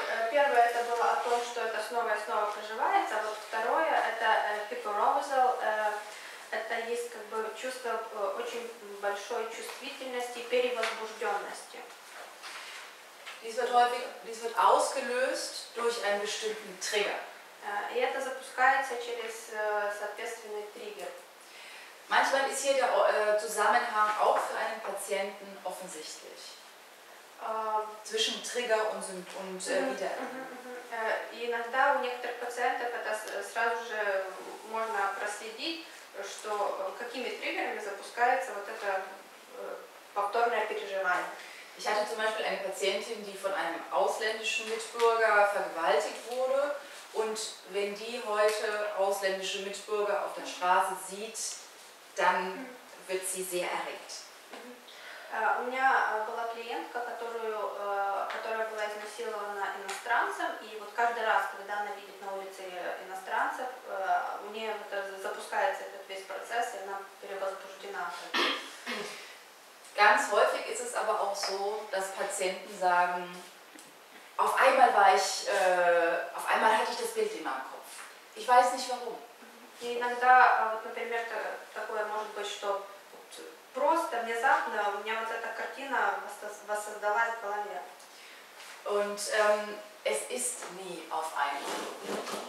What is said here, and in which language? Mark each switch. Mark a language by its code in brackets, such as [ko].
[ru] Первое это было о том, что это снова и снова проживается, а вот второе это Hyperarousal, это есть как бы чувство очень большой чувствительности, перевозбужденности. [de] Dies wird ausgelöst durch einen bestimmten Trigger. [ru] И это запускается через соответственный триггер. [de] Manchmal ist hier der Zusammenhang auch für einen Patienten offensichtlich. Zwischen Trigger und Wiedererinnerung. [ru] Иногда у некоторых пациентов это сразу же можно проследить, что какими триггерами запускается вот это повторное переживание. [de] Ich hatte zum Beispiel eine Patientin, die von einem ausländischen Mitbürger vergewaltigt wurde. Und wenn die heute ausländische Mitbürger auf der Straße sieht, dann wird sie sehr erregt. [ru] У меня была клиентка, которая была изнасилована иностранцем, и вот каждый раз, когда она видит на улице иностранцев, у нее запускается этот весь процесс, и она перевозбуждена. [de] Ganz häufig ist es aber auch so, dass Patienten sagen, auf einmal war ich, auf einmal hatte ich das Bild in meinem Kopf. Ich weiß nicht warum. [ru] Иногда, например, такое может быть, что просто внезапно у меня вот эта картина воссоздалась в голове. [de] Und es ist nie auf einmal.